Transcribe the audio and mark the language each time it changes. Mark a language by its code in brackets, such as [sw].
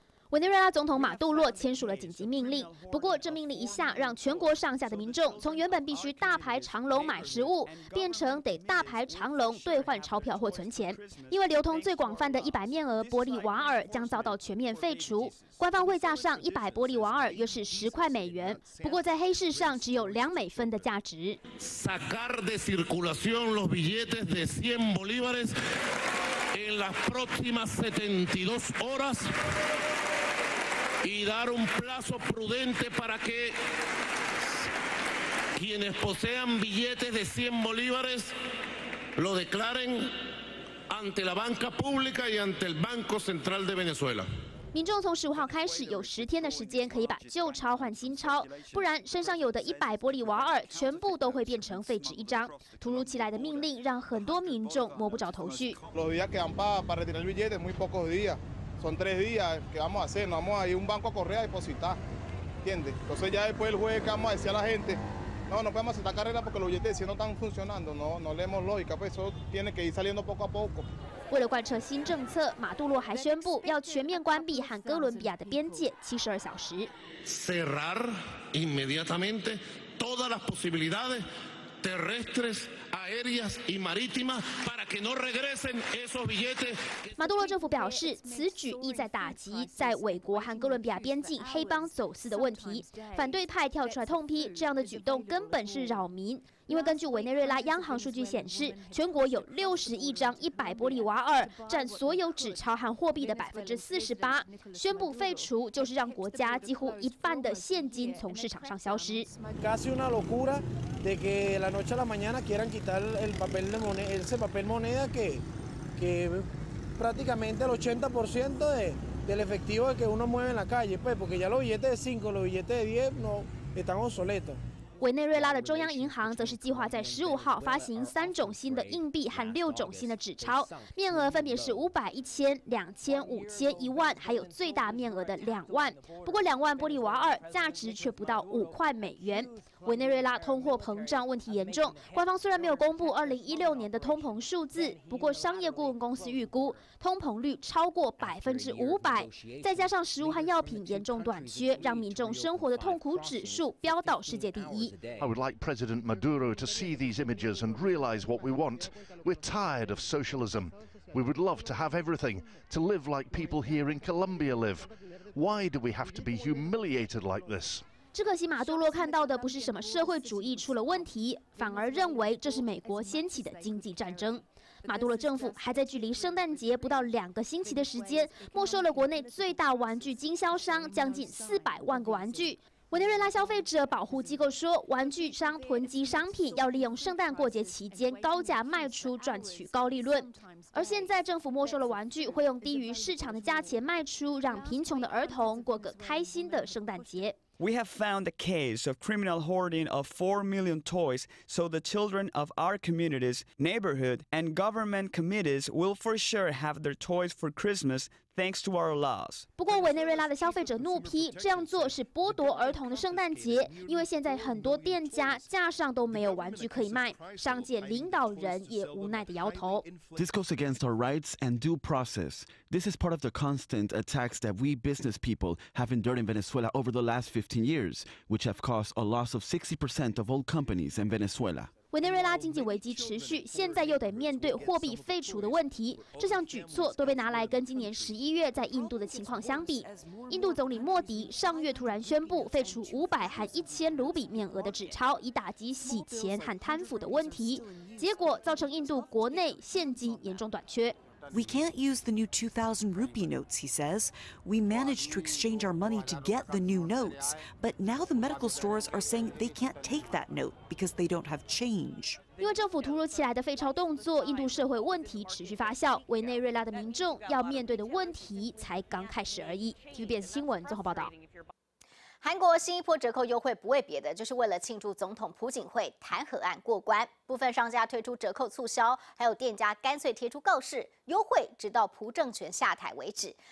[zh] 委内瑞拉总统马杜洛签署了紧急命令，不过这命令一下让全国上下的民众从原本必须大排长龙买食物，变成得大排长龙兑换钞票或存钱。因为流通最广泛的100面额玻璃瓦尔将遭到全面废除，官方汇价上100玻璃瓦尔约是10块美元，不过在黑市上只有2美分的价值。 [es] Sacar de circulación los billetes de 100 bolívares en las próximas 72 horas. Y dar un plazo prudente para que quienes posean billetes de 100 bolívares lo declaren ante la banca pública y ante el Banco Central de Venezuela. [zh] 民众从15号开始有10天的时间可以把旧钞换新钞，不然身上有的100玻利瓦尔全部都会变成废纸一张。突如其来的命令让很多民众摸不着头绪。 [es] Son 3 días que vamos a hacer, no vamos a ir a un banco a correr a depositar, ¿entiendes? Entonces ya después el juez que vamos a decir a la gente, no, no podemos aceptar carrera porque los billetes no están funcionando, no, no leemos lógica, pues eso tiene que ir saliendo poco a poco. [zh] 为了贯彻新政策，马杜洛还宣布要全面关闭和哥伦比亚的边界72小时。 [es] Cerrar inmediatamente todas las posibilidades terrestres. [zh] 马杜罗政府表示，此举意在打击在美国和哥伦比亚边境黑帮走私的问题。反对派跳出来痛批，这样的举动根本是扰民。因为根据委内瑞拉央行数据显示，全国有61张100玻利瓦尔，占所有纸钞和货币的48%。宣布废除，就是让国家几乎一半的现金从市场上消失。 [es] De que la noche a la mañana quieran quitar el papel de moneda, ese papel moneda que prácticamente el 80% del efectivo que uno mueve en la calle, pues porque ya los billetes de 5, los billetes de 10 no, están obsoletos. [zh] 委内瑞拉的中央银行则是计划在15号发行3种新的硬币和6种新的纸钞，面额分别是500、1000、2000、5000、1万，还有最大面额的20000。不过20000玻利瓦尔价值却不到5块美元。委内瑞拉通货膨胀问题严重，官方虽然没有公布2016年的通膨数字，不过商业顾问公司预估通膨率超过500%，再加上食物和药品严重短缺，让民众生活的痛苦指数飙到世界第一。 [en] I would like President Maduro to see these images and realize what we want. We're tired of socialism. We would love to have everything, to live like people here in Colombia live. Why do we have to be humiliated like this? [zh] 只可惜马杜洛看到的不是什么社会主义出了问题，反而认为这是美国掀起的经济战争。马杜洛政府还在距离圣诞节不到2个星期的时间，没收了国内最大玩具经销商将近400万个玩具。委内瑞拉消费者保护机构说，玩具商囤积商品要利用圣诞过节期间高价卖出赚取高利润，而现在政府没收了玩具会用低于市场的价钱卖出，让贫穷的儿童过个开心的圣诞节。 [en] We have found a case of criminal hoarding of 4 million toys, so the children of our communities, neighborhood, and government committees will for sure have their toys for Christmas, thanks to our laws. [zh] 不过委内瑞拉的消费者怒批，这样做是剥夺儿童的圣诞节，因为现在很多店家架上都没有玩具可以卖，商界领导人也无奈地摇头。 [en] This goes against our rights and due process. This is part of the constant attacks that we business people have endured in Venezuela over the last 15 years, which have caused a loss of 60% of all companies in Venezuela. [zh] 委内瑞拉经济危机持续，现在又得面对货币废除的问题，这项举措都被拿来跟今年11月在印度的情况相比。印度总理莫迪上月突然宣布废除500和1000卢比面额的纸钞，以打击洗钱和贪腐的问题，结果造成印度国内现金严重短缺。 [en] We can't use the new 2,000 rupee notes, he says. We managed to exchange our money to get the new notes, but now the medical stores are saying they can't take that note because they don't have change. [zh] 因为政府突如其来的废钞动作，印度社会问题持续发酵，委内瑞拉的民众要面对的问题才刚开始而已。 TVBS 新闻综合报道。韩国新一波折扣优惠不为别的，就是为了庆祝总统朴槿惠弹劾案过关。部分商家推出折扣促销，还有店家干脆贴出告示，优惠直到朴政权下台为止。